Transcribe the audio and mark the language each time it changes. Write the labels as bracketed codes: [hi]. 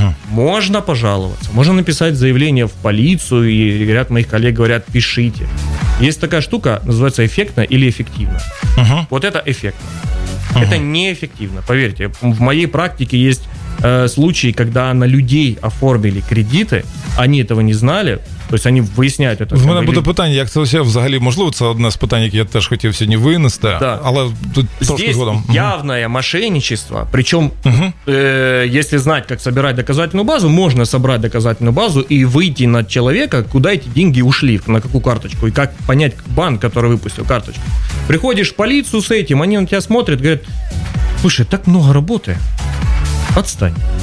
[ru] Можно пожаловаться, можно написать заявление в полицию, и ряд моих коллег говорят, пишите. Есть такая штука, называется эффектно или эффективно. Вот это эффектно. Это неэффективно, поверьте. В моей практике есть случаи, когда на людей оформили кредиты, они этого не знали. То есть они выясняют это. [uk] В мене буде питання, як це все взагалі можливо? Це одне з питань, яке я теж хотів сьогодні винести. Да. Але тут трошки згодом. [ru] Здесь явное мошенничество. Причому, если знать, как собирать доказательную базу, можно собрать доказательную базу и выйти на человека, куда эти деньги ушли, на какую карточку, и как понять банк, который выпустил карточку. Приходишь в полицию с этим, они на тебя смотрят, говорят, слушай, так много работы, отстань.